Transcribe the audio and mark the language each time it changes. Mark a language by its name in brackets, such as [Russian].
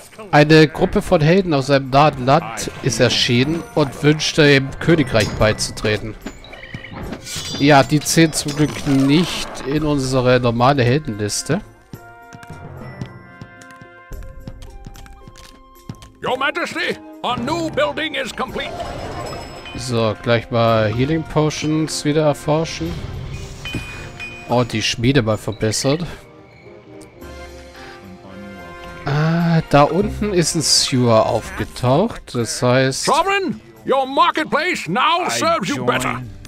[German] Eine Gruppe von Helden aus einem nahen Land ist erschienen und wünschte, im Königreich beizutreten. Ja, die zählen zum Glück nicht in unsere normale Heldenliste. [English] Your Majesty, our new building is complete. [German] So, gleich mal Healing Potions wieder erforschen. Oh, die Schmiede mal verbessert. Da unten ist ein Sewer aufgetaucht. Das heißt. [English] Sovereign, your marketplace now serves you better.